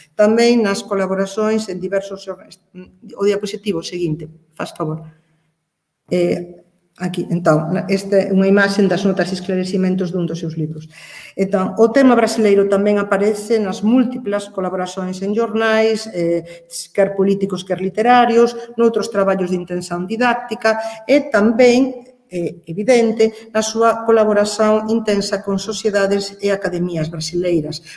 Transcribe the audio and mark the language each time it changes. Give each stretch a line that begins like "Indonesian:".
Galician: Tamén nas colaboracións en diversos...
Portuguese: O diapositivo seguinte, faz favor.
Galician: Aquí, então, esta é unha imaxen das notas e esclarecimentos dun dos seus libros. Então, o tema brasileiro tamén aparece nas múltiplas colaboracións en jornais, quer políticos, quer literarios, noutros traballos de intención didáctica e tamén, evidente, na súa colaboración intensa con sociedades e academias brasileiras.